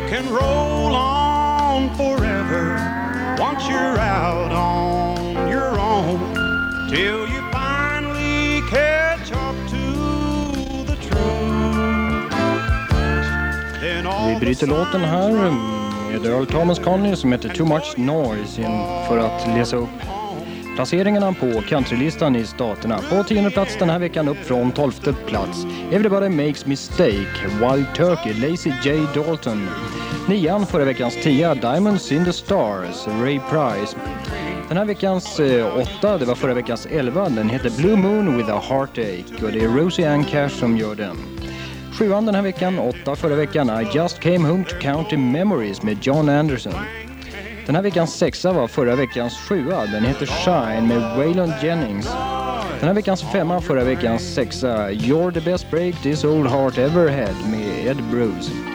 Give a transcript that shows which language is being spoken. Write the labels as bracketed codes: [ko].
[en] roll on forever you're out on your own till you finally catch up to the truth. [sv] Vi bryter låten här med Earl Thomas Conley som heter Too Much Noise för att läsa upp placeringarna på countrylistan i staterna. På 10:e plats den här veckan, upp från 12:e plats. Everybody Makes Mistake, Wild Turkey, Lazy J. Dalton. 9:an förra veckans 10:a, Diamonds in the Stars, Ray Price. Den här veckans 8:a, det var förra veckans 11:a, den heter Blue Moon with a Heartache. Och det är Rosie Ann Cash som gör den. 7:an den här veckan, 8:a förra veckan, I Just Came Home to County Memories med John Anderson. Den här veckans 6:a var förra veckans 7:a. Den heter Shine med Waylon Jennings. Den här veckans 5:a förra veckans 6:a. You're the best break this old heart ever had med Ed Bruce.